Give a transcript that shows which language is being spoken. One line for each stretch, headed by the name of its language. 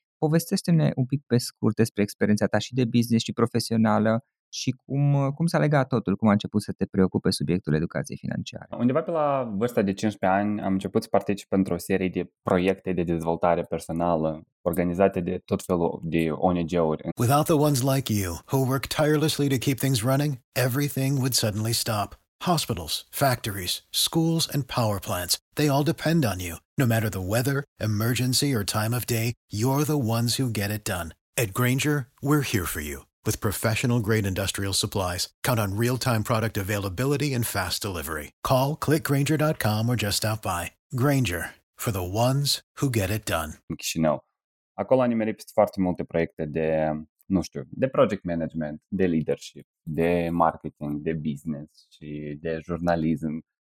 Romanian: Povestește-ne un pic pe scurt despre experiența ta și de business și profesională și cum s-a legat totul, cum a început să te preocupe subiectul educației financiare. Undeva pe la vârsta de 15 ani am început să particip într-o serie de proiecte de dezvoltare personală organizate de tot felul de ONG-uri.
English: Without the ones like you, who work tirelessly to keep things running, everything would suddenly stop. Hospitals, factories, schools, and power plants, they all depend on you. No matter the weather, emergency, or time of day, you're the ones who get it done. At Grainger, we're here for you. With professional-grade industrial supplies, count on real-time product availability and fast delivery. Call, click Grainger.com or just stop by. Grainger, for the ones who get it done.
Romanian: Chișinău. Acolo am nimerit foarte multe proiecte de project management, de leadership, de marketing, de business și de jurnalism.